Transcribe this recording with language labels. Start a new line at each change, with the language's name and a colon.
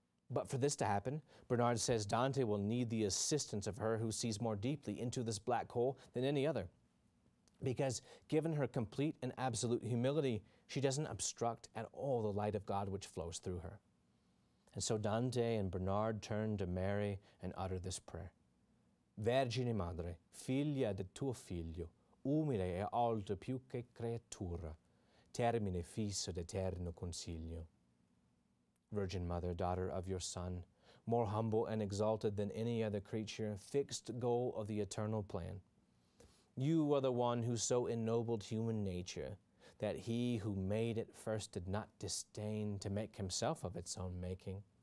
English: But for this to happen, Bernard says Dante will need the assistance of her who sees more deeply into this black hole than any other, because given her complete and absolute humility, she doesn't obstruct at all the light of God which flows through her. And so Dante and Bernard turn to Mary and utter this prayer.
Italian: Vergine madre, figlia di tuo figlio, umile e alto più che creatura, termine fisso d'eterno consiglio.
English: Virgin Mother, daughter of your Son, more humble and exalted than any other creature, fixed goal of the eternal plan. You are the one who so ennobled human nature that he who made it first did not disdain to make himself of its own making.